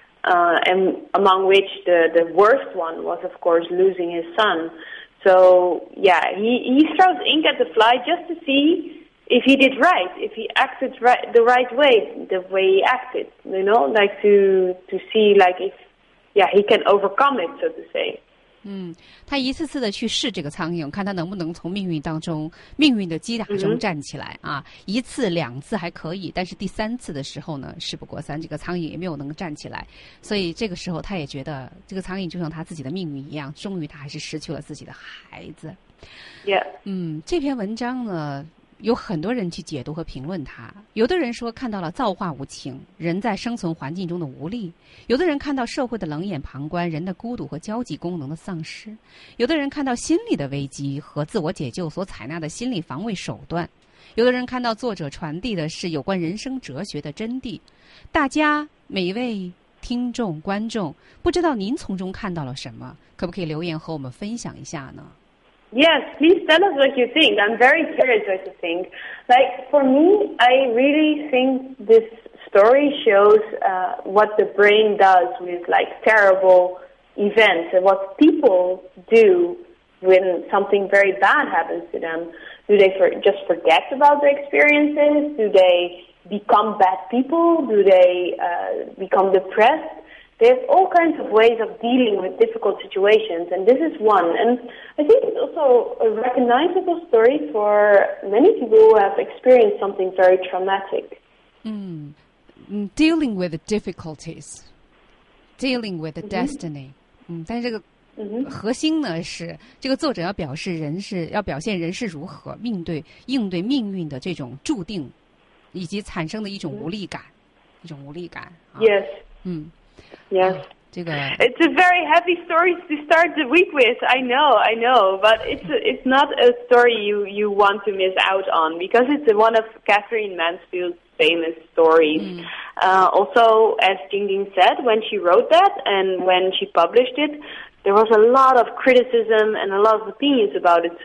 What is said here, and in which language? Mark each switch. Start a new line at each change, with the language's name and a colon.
English: And among which the worst one was, of course, losing his son. So, yeah, he throws ink at the fly just to see if he did right, if he acted right, the right way, the way he acted, you know, like to see like if, yeah, he can overcome it, so to say.
Chinese: 他一次次的去试这个苍蝇，看他能不能从命运当中、命运的击打中站起来啊！ Mm-hmm. 一次两次还可以，但是第三次的时候呢，事不过三，这个苍蝇也没有能站起来。所以这个时候，他也觉得这个苍蝇就像他自己的命运一样，终于他还是失去了自己的孩子。
English: Yeah.
Chinese: 这篇文章呢，有很多人去解读和评论他，有的人说看到了造化无情，人在生存环境中的无力，有的人看到社会的冷眼旁观，人的孤独和交际功能的丧失，有的人看到心理的危机和自我解救所采纳的心理防卫手段，有的人看到作者传递的是有关人生哲学的真谛。大家每一位听众观众，不知道您从中看到了什么，可不可以留言和我们分享一下呢？
English: Yes, please tell us what you think. I'm very curious what you think. Like, for me, I really think this story shows what the brain does with, like, terrible events and what people do when something very bad happens to them. Do they just forget about the experiences? Do they become bad people? Do they become depressed? There's all kinds of ways of dealing with difficult situations, and this is one. And I think it's also a recognizable story for many people who have experienced something very traumatic. Dealing with the difficulties, dealing with the destiny.
Chinese: 但这个核心呢是这个作者要表现人是如何应对命运的这种注定，以及产生的一种无力感，一种无力感。
English: Yes. Yes. 这个 It's a very heavy story to start the week with. I know, but it's not a story you want to miss out on, because it's one of Catherine Mansfield's famous stories. Also, as Jingjing said, when she wrote that and when she published it, there was a lot of criticism and a lot of opinions about it.